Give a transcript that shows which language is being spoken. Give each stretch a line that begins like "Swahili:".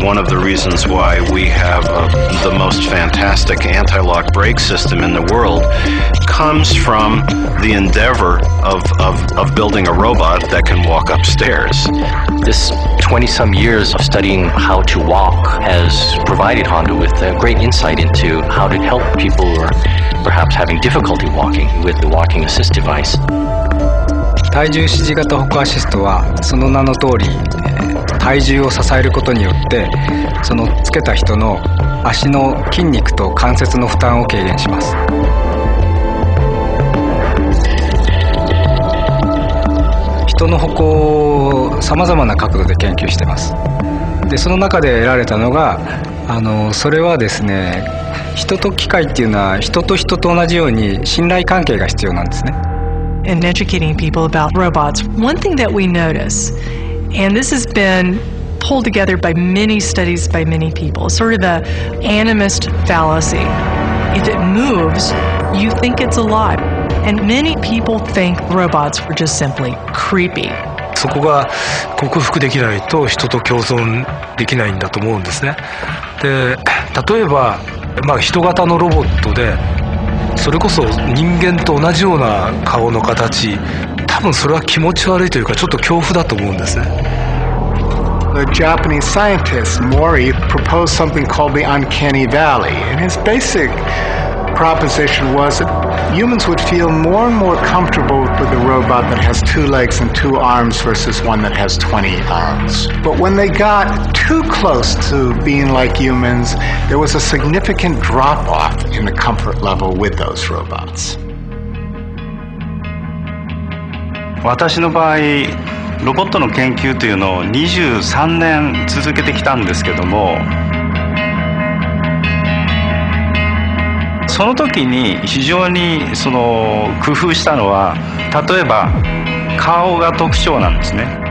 English: One of the reasons why we have the most fantastic anti-lock brake system in the world comes from the endeavor of building a robot that can walk upstairs. This 20-some years of studying how to walk has provided Honda with a great insight into how to help people who are perhaps having difficulty walking with the walking assist device.
Japanese: 体重支持型歩行アシストはその名の通り、体重を支えることによってそのつけた人の足の筋肉と関節の負担を軽減します。人の歩行をさまざまな角度で研究しています。でその中で得られたのが、それはですね、人と機械っていうのは人と人と同じように信頼関係が必要なんですね。
English: In educating people about robots, one thing that we notice, and this has been pulled together by many studies by many people, sort of the animist fallacy. If it moves, you think it's alive. And many people think robots were just simply creepy.
Japanese: そこが克服できないと人と共存できないんだと思うんですね。で、例えば、まあ、人型のロボットでそれこそ人間と同じような顔の形、多分それは気持ち悪いというかちょっと恐怖だと思うんですね。
English: The Japanese scientist Mori proposed something called the Uncanny Valley. And his basic proposition was thatHumans would feel more and more comfortable with a robot that has two legs and two arms versus one that has 20 arms. But when they got too close to being like humans, there was a significant drop-off in the comfort level with those robots.
Japanese: 私の場合、ロボットの研究というのを23年続けてきたんですけども、その時に非常にその工夫したのは、例えば顔が特徴なんですね。